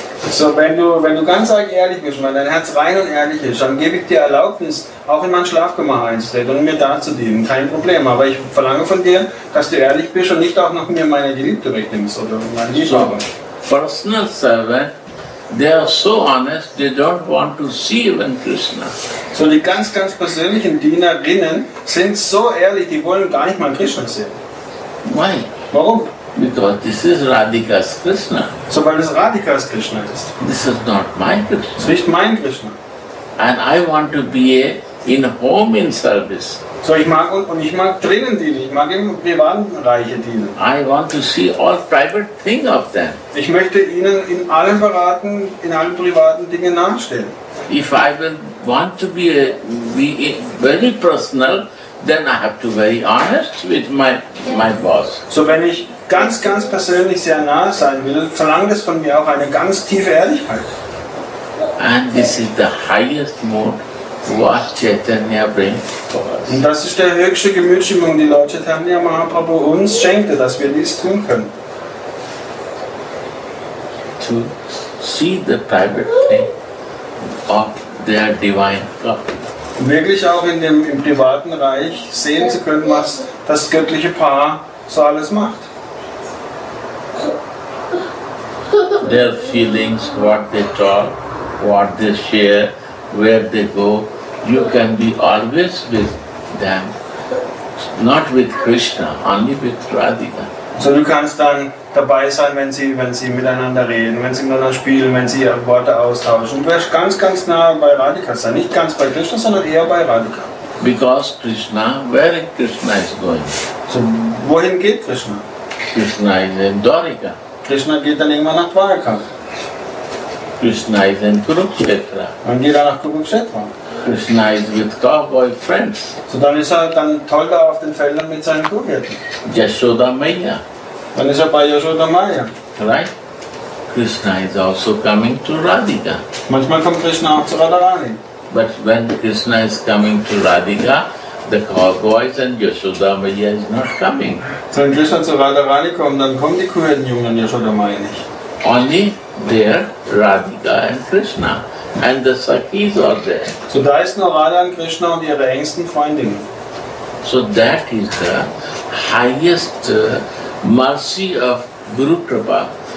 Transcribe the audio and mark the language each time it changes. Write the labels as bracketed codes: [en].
[de] So wenn du ganz ehrlich bist, wenn dein Herz rein und ehrlich ist, dann gebe ich dir Erlaubnis, auch in mein Schlafgemach einzutreten und mir da zu dienen. Kein Problem. Aber ich verlange von dir, dass du ehrlich bist und nicht auch noch mir meine Geliebte wegnimmst oder meine Liebhaber. [en] So, personal servant, they are so honest, they don't want to see even Krishna. [de] So die ganz, ganz persönlichen Dienerinnen sind so ehrlich, die wollen gar nicht mal Krishna sehen. [en] Why? [de] Warum? [en] Because this is Radhika's Krishna. [de] So weil es Radhika's Krishna ist. [en] This is not my Krishna. [de] Es ist nicht mein Krishna. [en] And I want to be in home in service. [de] So ich mag und ich mag drinnen dienen. Ich mag im privaten Reiche dienen. [en] I want to see all private things of them. [de] Ich möchte ihnen in allen beraten, in allen privaten Dingen nachstellen. [en] If I will want to be very personal, then I have to be very honest with my boss. [de] So wenn ich ganz, ganz persönlich sehr nah sein will, verlangt es von mir auch eine ganz tiefe Ehrlichkeit. [en] And this is the highest mode what Chaitanya brings for us. [de] Und das ist der höchste Gemütsschwingung, die Lord Chaitanya Mahaprabhu uns schenkte, dass wir dies tun können. [en] To see the private thing of their divine couple. [de] Wirklich auch im privaten Reich sehen zu können, was das göttliche Paar so alles macht. [en] Their feelings, what they talk, what they share, where they go, you can be always with them. Not with Krishna, only with Radhika. [de] So du kannst dann dabei sein, wenn sie miteinander reden, wenn sie miteinander spielen, wenn sie ihre Worte austauschen. Du wirst ganz, ganz nah bei Radhika sein. Nicht ganz bei Krishna, sondern eher bei Radhika. [en] Because Krishna, where is Krishna is going? [de] So, wohin geht Krishna? [en] Krishna is in Dwarka. [de] Krishna geht dann irgendwann nach Dwarka. [en] Krishna is in Kurukshetra. [de] Und geht dann nach Kurukshetra. [en] Krishna is with cowboy friends. [de] So dann ist er dann toll da auf den Feldern mit seinen Kuhhirten. [en] Yashoda Maya. [de] Dann ist er bei Yashoda Maya. [en] Right? Krishna is also coming to Radhika. [de] Manchmal kommt Krishna auch zu Radharani. [en] But when Krishna is coming to Radhika, the cowboys and Yashoda Maya is not coming. [de] So wenn Krishna zu Radharani kommt, dann kommen die Kuhhirtenjungen Yashoda Maya nicht. [en] Only there Radhika and Krishna. and the Sakis are there. [de] So da ist nur Radha und Krishna und ihre engsten Freundinnen. [en] So that is the highest mercy of Guru Prabhupada.